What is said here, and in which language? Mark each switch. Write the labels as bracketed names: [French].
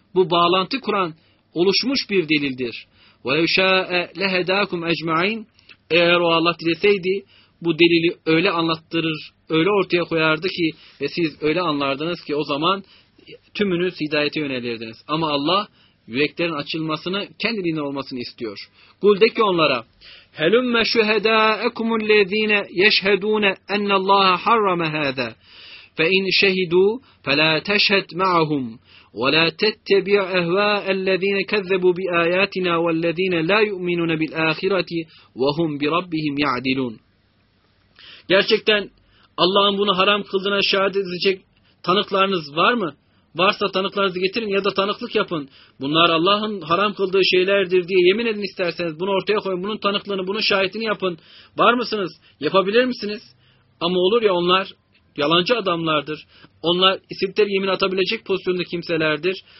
[Turkish] Bu bağlantı kuran, oluşmuş bir delildir. [Arabic] وَلَوْ شَاءَ لَهَدَاكُمْ اَجْمَعِينَ [Turkish] Eğer o Allah dileseydi, bu delili öyle anlattırır, öyle ortaya koyardı ki, ve siz öyle anlardınız ki, o zaman tümünüz hidayete yönelirdiniz. Ama Allah, yüreklerin açılmasını, kendiliğinden olmasını istiyor. [Arabic] قُلْ [Turkish] de ki onlara, [Arabic] هَلُمَّ شُهَدَاءَكُمُ الَّذ۪ينَ يَشْهَدُونَ اَنَّ اللّٰهَ حَرَّمَ هَذَا فَاِنْ شَهِدُوا فَلَا تَشْهَدْ مَعَهُمْ وَلَا تَتَّبِعْ اَهْوَاءَ الَّذ۪ينَ كَذَّبُوا بِآيَاتِنَا وَالَّذ۪ينَ لَا يُؤْمِنُونَ بِالْآخِرَةِ وَهُمْ بِرَبِّهِمْ يَعْدِلُونَ [Turkish] Gerçekten Allah'ın bunu haram kıldığına şahit edecek tanıklarınız var mı? Varsa tanıklarınızı getirin ya da tanıklık yapın. Bunlar Allah'ın haram kıldığı şeylerdir diye yemin edin isterseniz. Bunu ortaya koyun, bunun tanıklığını, bunun şahitini yapın. Var mısınız? Yapabilir misiniz? Ama olur ya, onlar yalancı adamlardır. Onlar isimler yemin atabilecek pozisyonda kimselerdir.